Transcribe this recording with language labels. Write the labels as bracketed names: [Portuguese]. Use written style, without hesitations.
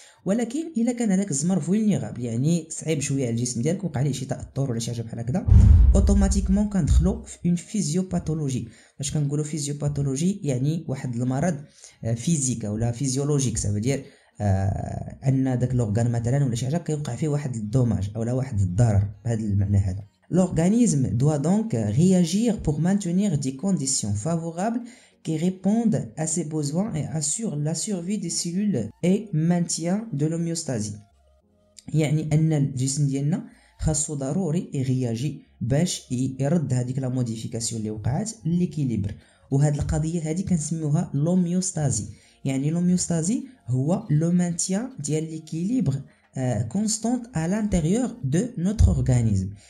[Arabic] ولكن الا كان هذاك الزمر فولنيغابل يعني صعيب شويه على الجسم ديالك وقع عليه شي تاثر ولا شي حاجه بحال هكذا اوتوماتيكمون كندخلوا في اون فيزيوباثولوجي. فاش كنقولوا فيزيوباثولوجي يعني واحد المرض فيزيكا ولا فيزيولوجيك سافا دير ان داك لوغان مثلا ولا شي حاجه كيوقع فيه واحد الدوماج اولا واحد الضرر بهذا المعنى هذا. [French] L'organisme doit donc réagir pour maintenir des conditions favorables qui répondent à ses besoins et assurent la survie des cellules et maintien de l'homéostasie. [Arabic] يعني ان الجسم ديالنا خاصو ضروري يرياجي باش يرد هذيك لا موديفيكاسيون اللي وقعات ليكيليبر. وهذه القضيه هذه كنسميوها لوميوستازي. يعني لوميوستازي هو لو مانتيان ديال ليكيليبر كونستانت على انتيريور دو نوتر اورغانيزم.